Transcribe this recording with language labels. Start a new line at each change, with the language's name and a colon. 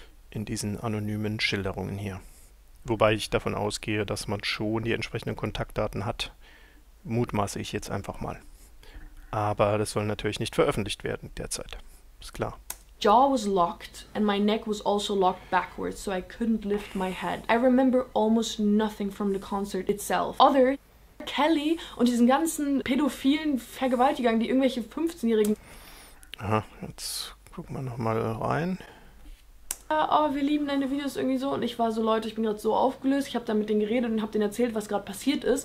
German: In diesen anonymen Schilderungen hier. Wobei ich davon ausgehe, dass man schon die entsprechenden Kontaktdaten hat, mutmaße ich jetzt einfach mal. Aber das soll natürlich nicht veröffentlicht werden derzeit, ist klar.
English: Jaw was locked and my neck was also locked backwards, so I couldn't lift my head. I remember almost nothing from the concert itself.
German: Other Kelly und diesen ganzen pädophilen Vergewaltigern, die irgendwelche 15-Jährigen... Aha, jetzt gucken wir nochmal rein. Oh, wir lieben deine Videos irgendwie so. Und ich war so, Leute, ich bin gerade so aufgelöst. Ich habe da mit denen geredet und habe denen erzählt, was gerade passiert ist.